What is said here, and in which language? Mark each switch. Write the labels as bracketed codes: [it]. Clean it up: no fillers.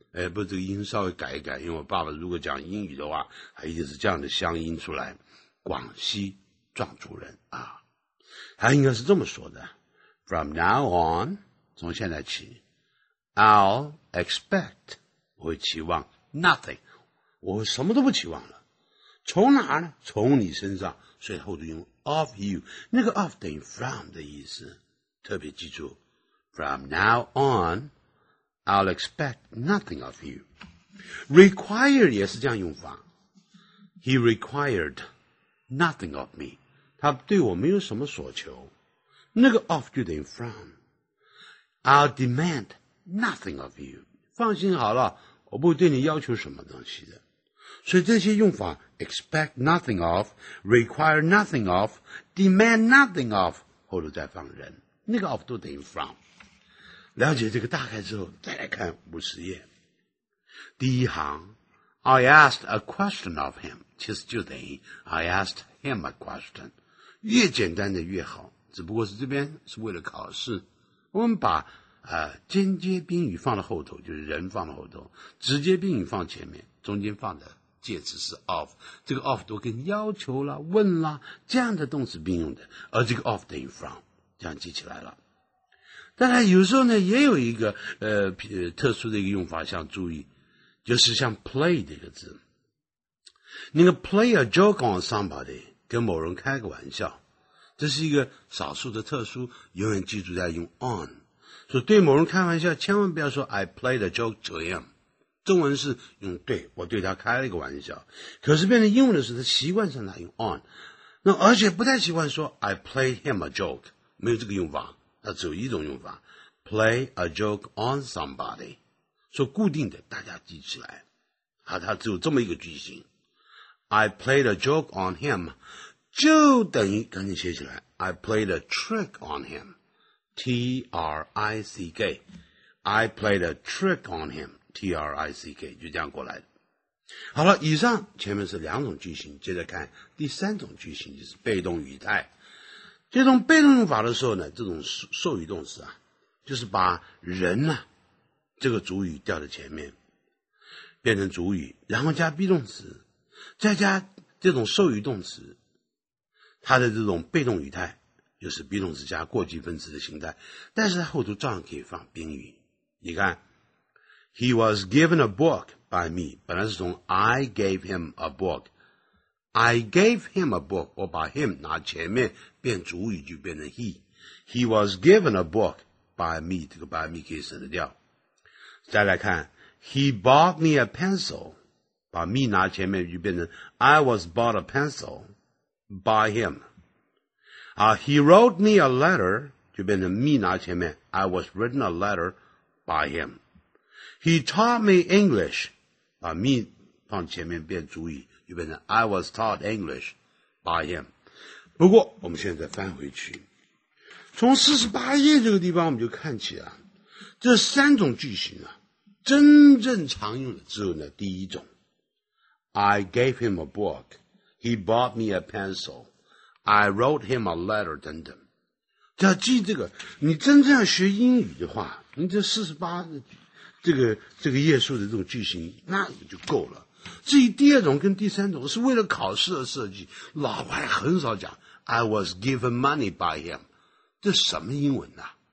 [zh] 不，这个音稍微改一改，因为我爸爸如果讲英语的话，他一定是这样的乡音出来，广西壮族人啊。他应该是这么说的 , [en] from now on, [zh] 从现在起 , [en] I'll expect, [zh] 我会期望 nothing, 我什么都不期望了。从哪儿呢？从你身上，所以后头用of you， 那个 of 等于 from 的意思，特别记住 [en] from now on I'll expect nothing of you。 [zh] require 也是这样用法， [en] he required nothing of me， [zh] 他对我没有什么所求，那个 of 就等于 from。 [en] I'll demand nothing of you. [zh] 放心好了，我不会对你要求什么东西的。所以这些用法 [en] expect nothing of, require nothing of, [zh] demand nothing of, 后头再放人，那个 of 都等于 from。了解这个大概之后，再来看五十页。第一行 [en] ,I asked a question of him, [zh] 其实就等于 [en] I asked him a question。 [zh] 越简单的越好，只不过是这边是为了考试。我们把间接宾语放到后头，就是人放到后头，直接宾语放前面，中间放的介词是 of, 这个 of 都跟要求啦、问啦这样的动词并用的，而这个 of 等于 from, 这样记起来了。当然有时候呢也有一个特殊的一个用法，像注意就是像 play 这个字，那个 [en] play a joke on somebody, [zh] 跟某人开个玩笑，这是一个少数的特殊，永远记住要用 on。所以对某人开玩笑千万不要说 [en] I played a joke to him, [zh] 中文是用对我对他开了一个玩笑，可是变成英文的时候他习惯上他用 on, 那而且不太习惯说 [en] I played him a joke, [zh] 没有这个用法，那只有一种用法 [en] play a joke on somebody, [zh] 说固定的大家记起来，好，它只有这么一个句型。 [en] I played a joke on him [zh] 就等于赶紧写起来 [en] I played a trick on him, T-R-I-C-K, I played a trick on him, T-R-I-C-K, 就这样过来。 [zh] 好了，以上前面是两种句型，接着看第三种句型，就是被动语态。这种被动用法的时候呢，这种授予动词啊，就是把人呢、这个主语调到前面，变成主语，然后加 be 动词，再加这种授予动词，它的这种被动语态就是 be 动词加过去分词的形态，但是它后头照样可以放宾语。你看 [en] ，He was given a book by me， [zh] 本来是从 [en] I gave him a book。 I gave him a book, [zh] 我把 him 拿前面变主语就变成 [en] he. He was given a book by me, [zh] 这个 by me 可以省得掉。 [en] 再来看 ,He bought me a pencil, [zh] 把 me 拿前面就变成 [en] I was bought a pencil by him. He wrote me a letter, [zh] 就变成 me 拿前面 [en] I was written a letter by him. He taught me English, [zh] 把 me 放前面变主语。 [en] I was taught English by him. [zh] 不过我们现在翻回去，从48页这个地方我们就看起啊，这三种句型啊，真正常用的只有呢第一种。 [en] I gave him a book, he bought me a pencil, I wrote him a letter, [zh] 等等。只要记这个，你真正要学英语的话，你这48页数的这种句型那就够了。至于第二种跟第三种是为了考试而设计，老外很少讲 [en] I was given money by him, [zh] 这什么英文呢？